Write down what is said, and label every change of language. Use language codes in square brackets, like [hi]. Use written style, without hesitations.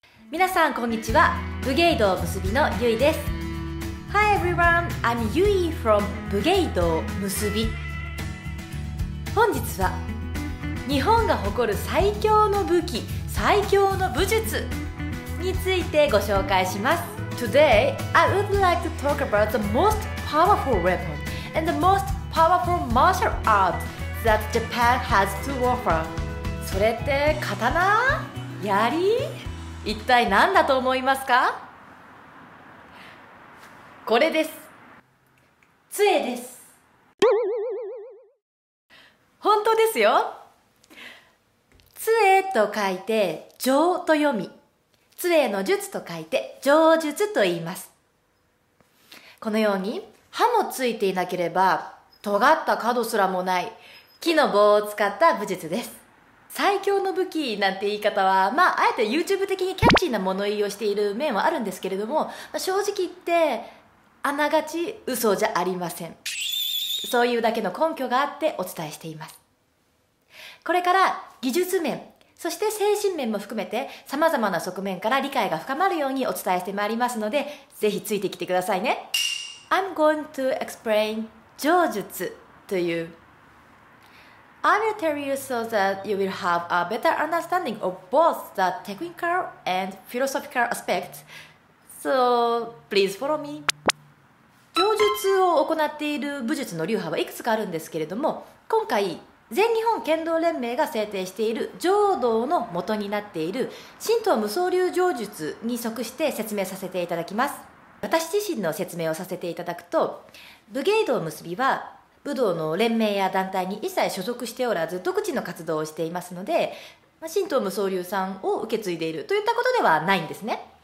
[ja] 皆さんこんにちは、ブゲイドウ結びのゆいです。 [en] Hi everyone, I'm Yui from ブゲイドウ結び。 [ja] 本日は日本が誇る最強の武器、最強の武術についてご紹介します。 [en] Today, I would like to talk about the most powerful weapon and the most powerful martial art that Japan has to offer. [ja] それって刀？槍？一体何だと思いますか？これです。杖です。本当ですよ。杖と書いて杖と読み、杖の術と書いて杖術と言います。このように刃もついていなければ尖った角すらもない木の棒を使った武術です。最強の武器なんて言い方は、まあ、あえて YouTube 的にキャッチーな物言いをしている面はあるんですけれども、まあ、正直言って、あながち嘘じゃありません。そういうだけの根拠があってお伝えしています。これから技術面、そして精神面も含めて、様々な側面から理解が深まるようにお伝えしてまいりますので、ぜひついてきてくださいね。 [en] I'm going to explain [ja] 杖術という、 [en] I will tell you so that you will have a better understanding of both the technical and philosophical aspects. So, please follow me. [ja] 杖術を行っている武術の流派はいくつかあるんですけれども、今回、全日本剣道連盟が制定している杖道の元になっている神道無双流杖術に即して説明させていただきます。私自身の説明をさせていただくと、武芸道結びは、武道の連盟や団体に一切所属しておらず独自の活動をしていますので、神道無双流さんを受け継いでいるといったことではないんですね。